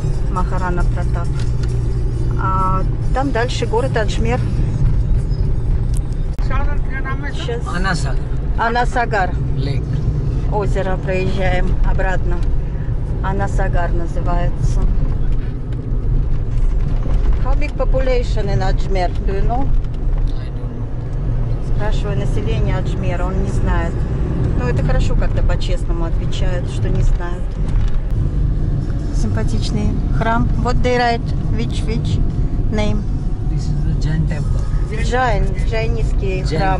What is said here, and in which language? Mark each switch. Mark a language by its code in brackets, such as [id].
[ru] Махарана Пратап. А там дальше город Аджмер. Сейчас. Анасагар. [en] Лейк. [ru] Озеро проезжаем обратно. Анасагар называется. [en] How big population in Аджмер? Do you know? [ru] Спрашиваю население Аджмера, он не знает. Ну, это хорошо, когда по-честному отвечают, что не знают. Симпатичный храм. [en] What they write? Which name? This is the Jain temple. [ru] Jain, джайнистский храм.